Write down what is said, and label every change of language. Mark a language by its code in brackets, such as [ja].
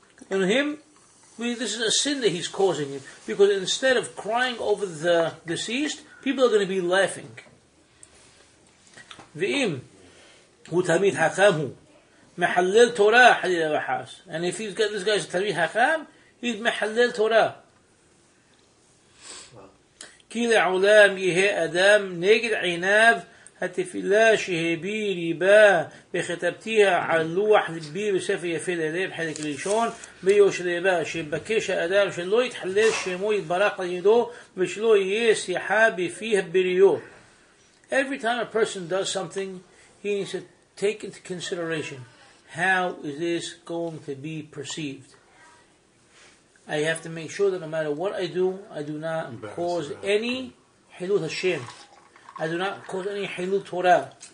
[en] And him, this is a sin that he's causing him. Because instead of crying over the deceased, people are going to be laughing. [he] ואם הוא תלמיד חכם הוא מחלל תורה חלילה וחס. [en] And if he's got this guy's תלמיד חכם, he's מחלל תורה. [he] כי לעולם יהיה אדם נגד עיניו התפילה שהביא ריבה וכתבתיה על לוח לבי בספר יפה ללב חלק ראשון ביושלבה שבקש האדם שלא יתחלל שמו יתברך לידו ושלא יהיה שיחה בפיה בריאות. [en] Every time a person does something, he needs to take into consideration how is this going to be perceived. I have to make sure that no matter what I do not cause any Hilul Hashem. I do not cause any Hilul Torah.